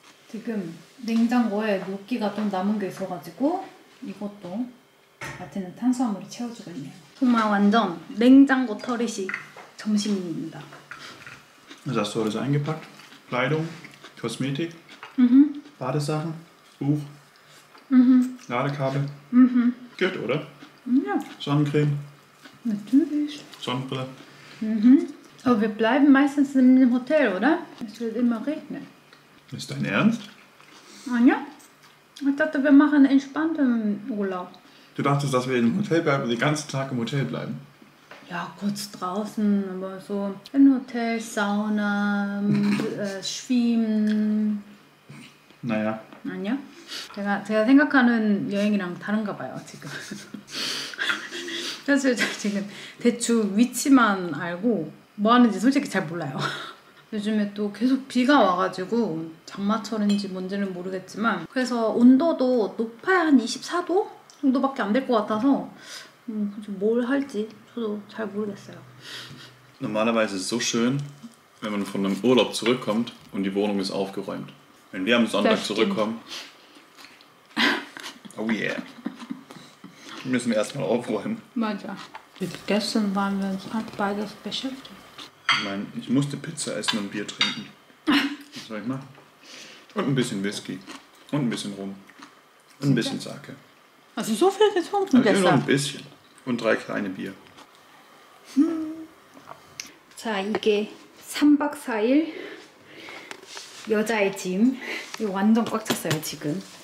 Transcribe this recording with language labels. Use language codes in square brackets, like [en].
[ko] 지금 냉장고에 녹기가 좀 남은 게 있어가지고 이것도 마틴은 탄수화물을 채워주고 있네요. 정말 완전 냉장고 터리식 점심입니다. [de] Was hast du alles eingepackt? Kleidung, Kosmetik, Badesachen, Buch, Ladekabel. Gut, oder? Ja. Sonnencreme. Natürlich. Sonnenbrille. Aber wir bleiben meistens im Hotel, oder? Es wird immer regnen. Ist dein Ernst? Anja? Ich dachte, wir machen einen entspannten Urlaub. Du dachtest, dass wir im Hotel bleiben und den ganzen Tag im Hotel bleiben? Ja, kurz draußen, aber so im Hotel, Sauna, schwimmen. Naja. Anja? [ko] 제가 생각하는 여행이랑 다른가 봐요, 지금. 사실 제가 지금 대충 위치만 알고 뭐 하는지 솔직히 잘 몰라요. 요즘에 또 계속 비가 와가지고 장마철인지 뭔지는 모르겠지만 그래서 온도도 높아야 한 24도 정도밖에 안 될 것 같아서 뭘 할지 저도 잘 모르겠어요. [de] Normalerweise ist es so schön, wenn man von einem Urlaub zurückkommt und die Wohnung ist aufgeräumt. Wenn wir am Sonntag zurückkommen. [en] Oh yeah. [de] Müssen wir erstmal aufräumen. Maja. Gestern waren wir uns beide beschäftigt. Ich meine, ich musste Pizza essen und Bier trinken. Was soll ich machen? Und ein bisschen Whisky. Und ein bisschen Rum. Und ein bisschen Sake. Hast du so viel getrunken gestern? Also nur ein bisschen. Und drei kleine Bier. [ko] So, 이게 3박 4일 여자의 짐. 이거 완전 꽉 찼어요, 지금.